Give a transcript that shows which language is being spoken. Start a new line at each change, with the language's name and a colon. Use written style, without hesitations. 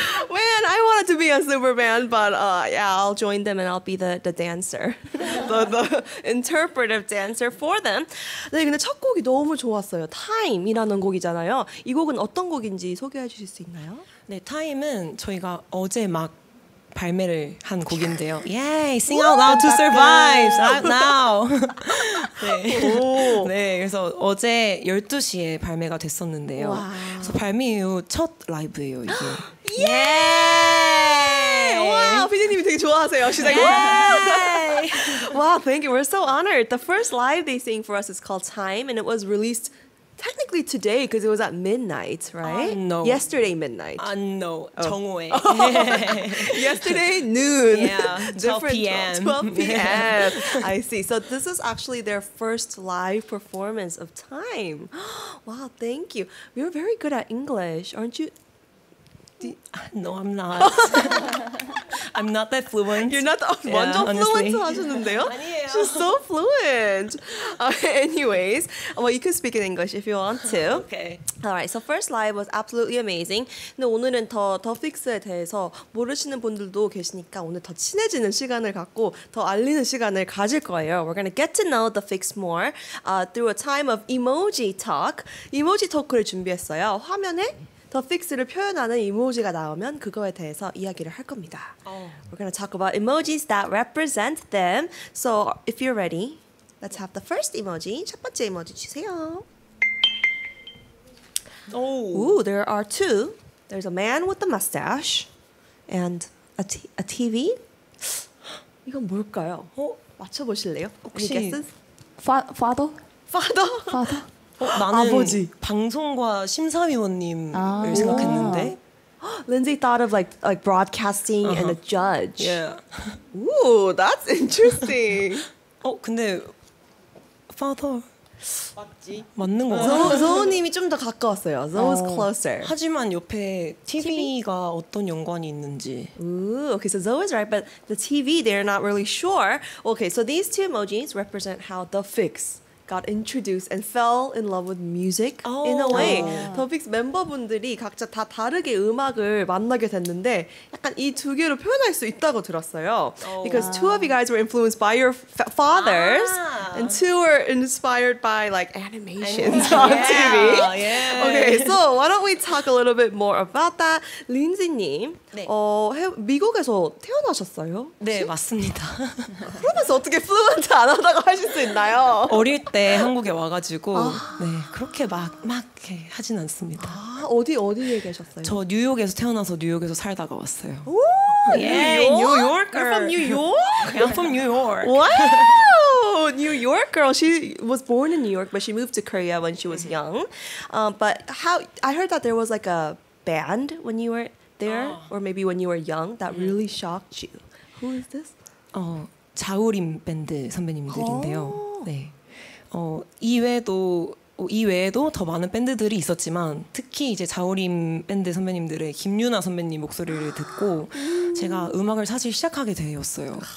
English: Man, I wanted to be a super band, but yeah, I'll join them and I'll be the dancer. the interpretive dancer for them.
Korean: 네, 근데 첫 곡이 너무 좋았어요. Time이라는 곡이잖아요. 이 곡은 어떤 곡인지 소개해 주실 수 있나요? 네, Time은 저희가 어제 막 발매를 한 곡인데요.
English: Yay! Sing out loud to survive! Not now! 네.
Korean: 네, 그래서 어제 12시에 발매가 됐었는데요. 그래서 발매 이후 첫 라이브예요, 이게.
English: Yay!
Korean: 와, 피디님이 되게 좋아하세요.
English: She's like, Yay! Wow, thank you. We're so honored. The first live they sing for us is called Time, and it was released technically today, because it was at midnight, right? No. Yesterday midnight. No. Oh.
Korean: 정오에.
English: Yesterday noon. Yeah. 12 p.m. 12 p.m. I see. So this is actually their first live performance of Time. Wow, thank you. You're very good at English, aren't you? No, I'm not. I'm not that fluent. You're not the, yeah,
Korean: 완전 fluent 하셨는데요? 아니에요.
English: She's so fluent. Anyways, well, you can speak in English if you want to. Okay. All right, so first live was absolutely amazing.
Korean: 근데 오늘은 더 픽스에 대해서 모르시는 분들도 계시니까 오늘 더 친해지는 시간을 갖고 더 알리는 시간을 가질 거예요.
English: We're going to get to know the fix more through a time of emoji talk.
Korean: 이모지 토크를 준비했어요. 화면에 더 픽스를 표현하는 이모지가 나오면 그거에 대해서 이야기를 할 겁니다.
English: Oh. We're going to talk about emojis that represent them. So if you're ready, let's have the first emoji.
Korean: 첫 번째 이모지 주세요.
English: Oh. Ooh, there are two. There's a man with a mustache and a TV.
Korean: 이건 뭘까요? 맞춰보실래요? 혹시
English: Father? Father? Father?
Korean: 나는 아버지. 방송과 심사위원님을 생각했는데.
English: Lindsay thought of like broadcasting and a judge. Yeah. Ooh, that's interesting.
Korean: 근데 father. 맞지. 맞는 거 같아요. Zoe님이 좀 더 가까웠어요.
English: Zoe's closer.
Korean: 하지만 옆에 TV가 어떤 연관이 있는지.
English: Ooh, okay, so Zoe is right, but the TV, they're not really sure. Okay, so these two emojis represent how the fix got introduced and fell in love with music in a way.
Korean: 더픽스 멤버분들이 각자 다 다르게 음악을 만나게 됐는데 약간 이 두 개로 표현할 수 있다고 들었어요.
English: Because two of you guys were influenced by your fathers and two were inspired by like animations on TV. Yeah. Okay, so why don't we talk a little bit more about that?
Korean: 린지님, 네. 미국에서 태어나셨어요? 네, 맞습니다. 그러면서 어떻게 fluent 안 하다고 하실 수 있나요? 어릴 때 한국에 와가지고 네, 그렇게 막 하진 않습니다. 어디에 계셨어요? 저 뉴욕에서 태어나서 뉴욕에서 살다가 왔어요. 오,
English: yeah,
Korean: 뉴욕.
English: You're from New York? I'm from New York. Wow, New York girl. She was born in New York, but she moved to Korea when she was young. But how? I heard that there was like a band when you were there, or maybe when you were young, that really shocked you. Who is this?
Korean: 자우림 밴드 선배님들인데요. 네. 이외에도 더 많은 밴드들이 있었지만 특히 이제 자우림 밴드 선배님들의 김유나 선배님 목소리를 듣고 제가 음악을 사실 시작하게 되었어요.